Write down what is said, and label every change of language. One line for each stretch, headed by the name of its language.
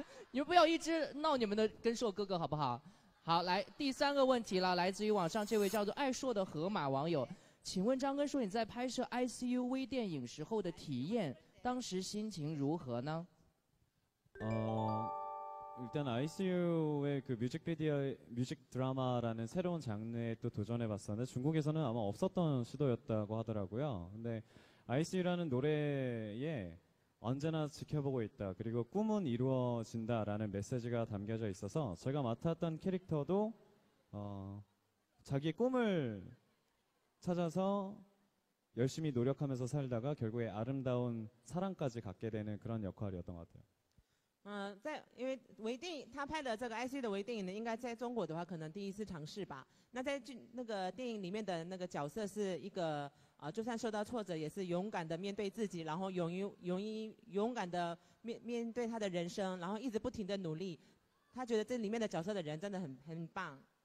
Chinese: 你们不要一直闹你们的跟硕哥哥好不好好来第三个问题了来自于网上这位叫做爱硕的河马网友请问张根硕你在拍摄 ICUV 电影时候的体验当时心情如何呢
Korean: 일단 ICU의 그 뮤직 드라마라는 새로운 장르에 또 도전해봤었는데 중국에서는 아마 없었던 시도였다고 하더라고요 근데 ICU 라는 노래에 언제나 지켜보고 있다 그리고 꿈은 이루어진다라는 메시지가 담겨져 있어서 제가 맡았던 캐릭터도 자기 꿈을 찾아서 열심히 노력하면서 살다가 결국에 아름다운 사랑까지 갖게 되는 그런 역할이었던 것 같아요
Chinese: 在因为微电影他拍的这个 ICU 的微电影呢应该在中国的话可能第一次尝试吧那在那个电影里面的那个角色是一个就算受到挫折也是勇敢的面对自己然后勇敢的 面对他的人生然后一直不停的努力他觉得这里面的角色的人真的很棒